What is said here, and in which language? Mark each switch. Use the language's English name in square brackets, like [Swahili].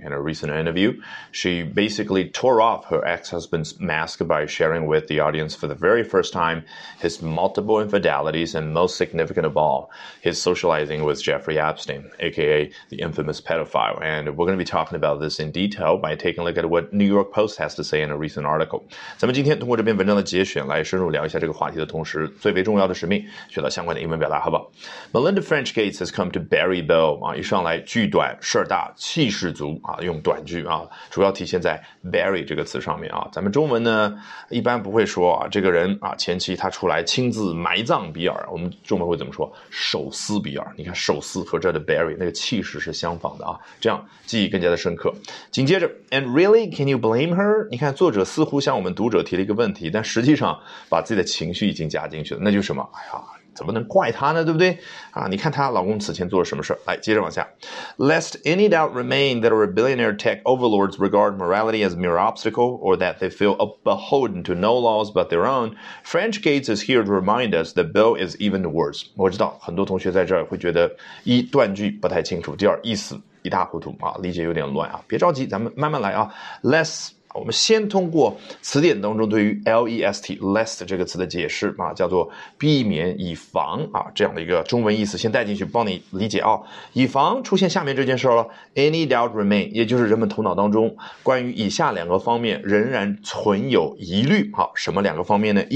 [English] In a recent interview, she basically tore off her ex-husband's mask by sharing with the audience for the very first time his multiple infidelities and, most significant of all, his socializing with Jeffrey Epstein, aka the infamous pedophile. And we're going to be talking about this in detail by taking a look at what New York Post has to say in a recent article. [Chinese] 咱们今天通过这篇文章的节选来深入聊一下这个话题的同时，最为重要的使命，学到相关的英文表达，好不好？ [English] Melinda French Gates has come to bury Bill, [Chinese] 一上来句短事大气势足用短句主要体现在 bury 这个词上面咱们中文呢一般不会说这个人前期他出来亲自埋葬比尔，我们中文会怎么说？手撕比尔。你看手撕和这的 bury 那个气势是相仿的这样记忆更加的深刻。紧接着 [English] and really can you blame her? [Chinese] 你看作者似乎向我们读者提了一个问题，但实际上把自己的情绪已经加进去了，那就是什么？哎呀，怎么能怪她呢，对不对你看她老公此前做了什么事，来接着往下。 [English] Lest any doubt remain that our billionaire tech overlords regard morality as a mere obstacle or that they feel beholden to no laws but their own, French Gates is here to remind us that Bill is even worse. [Chinese] 我知道很多同学在这儿会觉得一断句不太清楚，第二意思一大糊涂理解有点乱别着急，咱们慢慢来Lest我们先通过词典当中对于 lest lest 这个词的解释叫做避免以防这样的一个中文意思先带进去帮你理解以防出现下面这件事了 [English] any doubt remain [Chinese] 也就是人们头脑当中关于以下两个方面仍然存有疑虑什么两个方面呢？